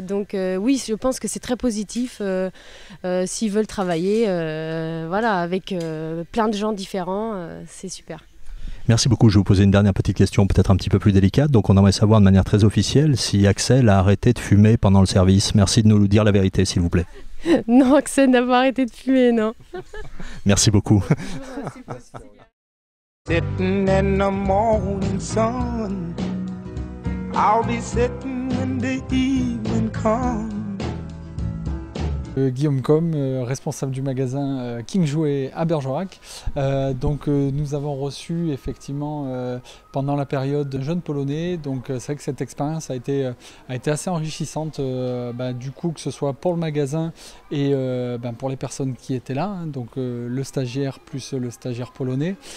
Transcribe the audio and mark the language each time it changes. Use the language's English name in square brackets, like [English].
[French] Donc oui, je pense que c'est très positif s'ils veulent travailler voilà, avec plein de gens différents. C'est super. Merci beaucoup. Je vais vous poser une dernière petite question, peut-être un petit peu plus délicate. Donc on aimerait savoir de manière très officielle si Axel a arrêté de fumer pendant le service. Merci de nous dire la vérité, s'il vous plaît. Non, Axel n'a pas arrêté de fumer, non. Merci beaucoup. [English] Sitting in the morning sun, I'll be sitting when the evening comes. [French] Guillaume Combe, responsable du magasin King Jouet à Bergerac. Nous avons reçu effectivement pendant la période un jeune Polonais. Donc c'est vrai que cette expérience a été assez enrichissante, du coup, que ce soit pour le magasin et pour les personnes qui étaient là, hein, donc le stagiaire plus le stagiaire polonais.